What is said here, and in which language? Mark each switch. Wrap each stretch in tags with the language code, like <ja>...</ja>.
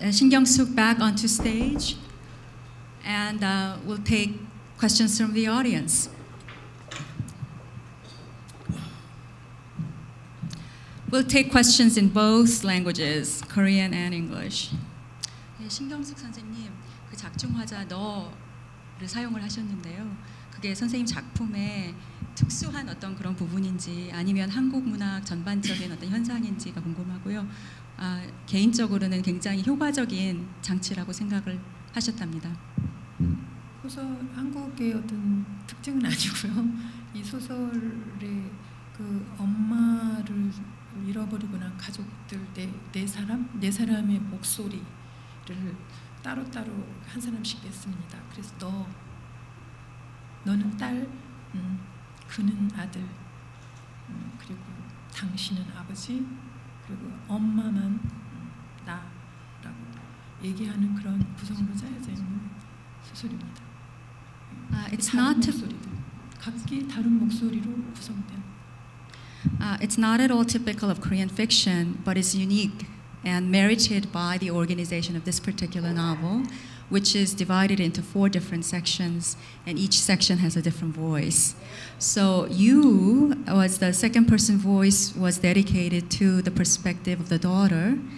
<en>Shin Kyung-suk back onto stage, and we'll take questions from the audience. We'll take questions in both languages, Korean and English.</en> <ko>네, 신경숙 선생님, 그 작중화자 너를 사용을 하셨는데요. 그게 선생님 작품에 특수한 어떤 그런 부분인지 아니면 한국 문학 전반적인 어떤 현상인지가 궁금하고요. 아, 개인적으로는 굉장히 효과적인 장치라고 생각을 하셨답니다. 우선 한국의 어떤 특징은 아니고요. 이 소설의 그 엄마를 잃어버리고 난 가족들 네 사람의 목소리를 따로따로 한 사람씩 냈습니다. 그래서 너는 딸, 그는 아들, 그리고 당신은 아버지, 그리고 엄마만 나라고 얘기하는 그런 구성으로 짜여져 있는 소설입니다.</ko> <en>It's not</en> <ko>목소리들, 각기 다른 목소리로 구성된.</ko> <en>It's not at all typical of Korean fiction, but it's unique and merited by the organization of this particular novel, which is divided into four different sections, and each section has a different voice. So you, was the second person voice, was dedicated to the perspective of the daughter.</en>